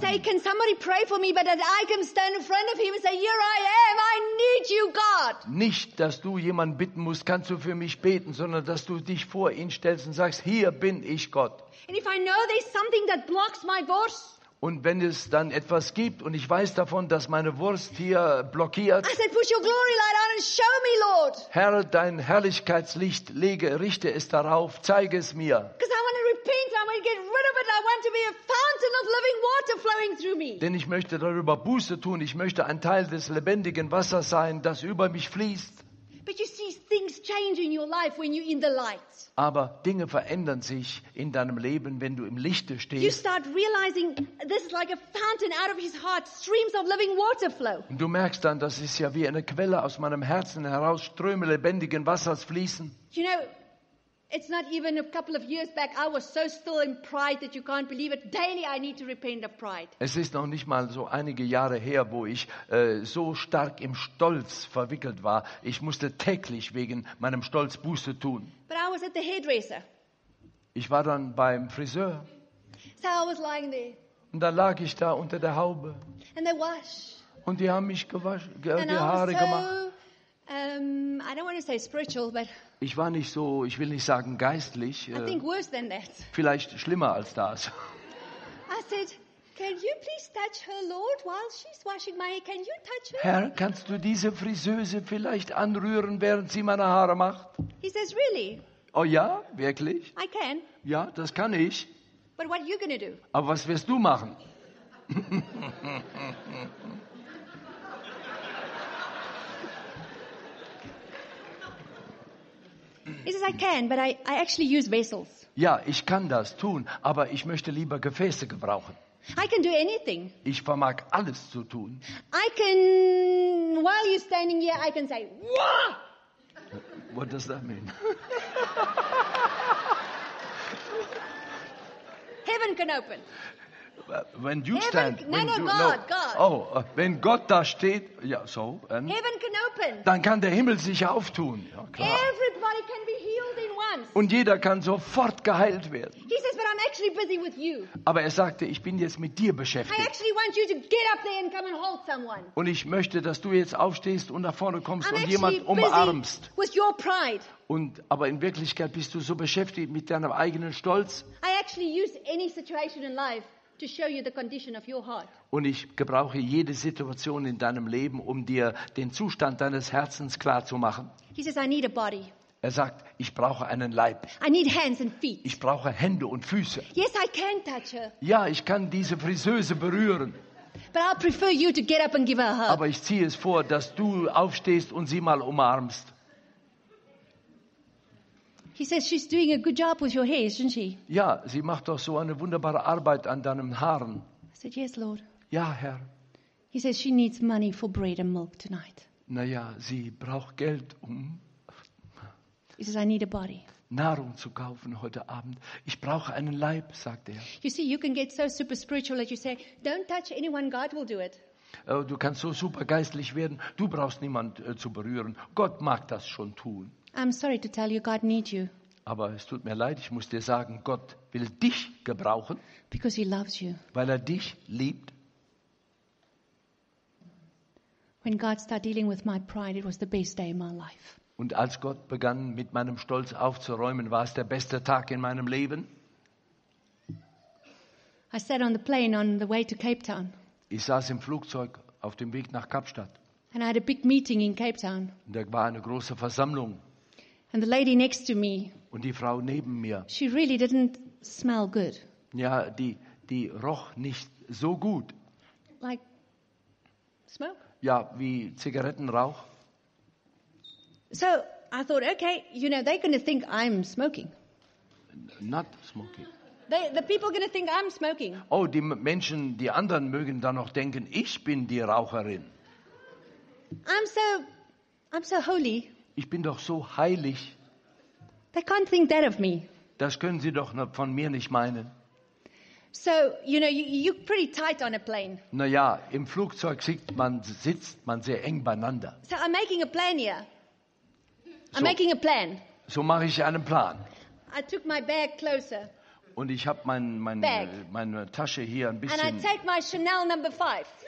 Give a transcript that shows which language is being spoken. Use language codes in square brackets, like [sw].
[en] To say, can somebody pray for me, but that I can stand in front of him and say, here I am, I need you, God. [de] Nicht, dass du jemanden bitten musst, kannst du für mich beten, sondern dass du dich vor ihn stellst und sagst, hier bin ich, Gott. [en] And if I know there's something that blocks my voice. [de] Und wenn es dann etwas gibt und ich weiß davon, dass meine Wurst hier blockiert, [en] I said, put your glory light on and show me, Lord. [de] Herr, dein Herrlichkeitslicht lege, richte es darauf, zeige es mir. [en] Because I want to repent, I want to get rid of it, I want to be a fountain of living water flowing through me. [de] Denn ich möchte darüber Buße tun, ich möchte ein Teil des lebendigen Wassers sein, das über mich fließt. [en] But you see, things change in your life when you're in the light. [de] Aber Dinge verändern sich in deinem Leben, wenn du im Lichte stehst. [en] You start realizing this is like a fountain out of his heart, streams of living water flow. [de] Und du merkst dann, das ist ja wie eine Quelle aus meinem Herzen heraus, Ströme lebendigen Wassers fließen. [en] You know, it's not even a couple of years back, I was so still in pride that you can't believe it. Daily I need to repent of pride. [de] Es ist noch nicht mal so einige Jahre her, wo ich so stark im Stolz verwickelt war. Ich musste täglich wegen meinem Stolz Buße tun. [en] But I was at the hairdresser. [de] Ich war dann beim Friseur. [en] So I was lying there. [de] Und dann lag ich da unter der Haube. [en] And they wash. [de] Und die haben mich gewaschen, [en] and [de] die [en] I [de] Haare [en] was so, [de] gemacht. [en] I don't want to say spiritual, but [de] ich war nicht so, ich will nicht sagen geistlich. [en] I think worse than that. [de] Vielleicht schlimmer als das. [en] I said, can you please touch her, Lord, while she's washing my hair? Can you touch her? [de] Herr, kannst du diese Friseuse vielleicht anrühren, während sie meine Haare macht? [en] He says, really? [de] Oh ja, wirklich? [en] I can. [de] Ja, das kann ich. [en] But what are you gonna do? [de] Aber was wirst du machen? [en] He says, I can, but I actually use vessels. [de] Ja, ich kann das tun, aber ich möchte lieber Gefäße gebrauchen. [en] I can do anything. [de] Ich vermag alles zu tun. [en] I can, while you're standing here, I can say, wah! What does that mean? Heaven can open. When you heaven, stand, no, when no, you, God, no, God. [de] Oh, wenn Gott da steht, ja, so. [en] And heaven can open. [de] Dann kann der Himmel sich auftun. Ja, klar. [en] Everybody can be healed in once. [de] Und jeder kann sofort geheilt werden. [en] He says, but I'm actually busy with you. [de] Aber er sagte, ich bin jetzt mit dir beschäftigt. [en] I actually want you to get up there and come and hold someone. [de] Und ich möchte, dass du jetzt aufstehst und nach vorne kommst und jemand umarmst. [en] Busy with your pride. [de] Und aber in Wirklichkeit bist du so beschäftigt mit deinem eigenen Stolz. [en] I actually use any situation in life to show you the condition of your heart. [de] Und ich gebrauche jede Situation in deinem Leben, um dir den Zustand deines Herzens klar zu machen. [en] He says, I need a body. [de] Er sagt, ich brauche einen Leib. [en] I need hands and feet. [de] Ich brauche Hände und Füße. [en] Yes, I can touch her. [de] Ja, ich kann diese Friseuse berühren. [en] But I prefer you to get up and give her a hug. [de] Aber ich ziehe es vor, dass du aufstehst und sie mal umarmst. [en] He says she's doing a good job with your hair, isn't she? [de] Ja, sie macht doch so eine wunderbare Arbeit an deinen Haaren. [en] I said yes, Lord. [de] Ja, Herr. [en] He says she needs money for bread and milk tonight. [de] Na ja, sie braucht Geld, um [en] He says I need a body. [de] Nahrung zu kaufen heute Abend. Ich brauche einen Leib, sagt er. [en] You see, you can get so super spiritual that you say, don't touch anyone, God will do it. [de] Du kannst so super geistlich werden, du brauchst niemand zu berühren. Gott mag das schon tun. [en] I'm sorry to tell you, God needs you. [de] Aber es tut mir leid, ich muss dir sagen, Gott will dich gebrauchen. [en] Because he loves you. [de] Weil er dich liebt. [en] When God started dealing with my pride, it was the best day in my life. [de] Und als Gott begann, mit meinem Stolz aufzuräumen, war es der beste Tag in meinem Leben. [en] I sat on the plane on the way to Cape Town. [de] Ich saß im Flugzeug auf dem Weg nach Kapstadt. [en] And I had a big meeting in Cape Town. [de] Und da war eine große Versammlung. [en] And the lady next to me, [de] und die Frau neben mir, [en] she really didn't smell good. [de] Ja, die roch nicht so gut. [en] Like smoke? [de] Ja, wie Zigarettenrauch. [en] So I thought, okay, you know, they're going to think I'm smoking. Not smoking. The people going to think I'm smoking. [de] Oh, die Menschen, die anderen mögen dann noch denken, ich bin die Raucherin. [en] I'm so holy. [de] Ich bin doch so heilig. [en] They can't think that of me. [de] Das können sie doch von mir nicht meinen. [en] So, you know, you're pretty tight on a plane. [de] Na ja, im Flugzeug sitzt man sehr eng beieinander. [en] So I'm making a plan here. I'm making a plan. [de] So mache ich einen Plan. [en] I took my bag closer. [de] Und ich habe meine Tasche hier ein bisschen. [en] And I take my Chanel number 5.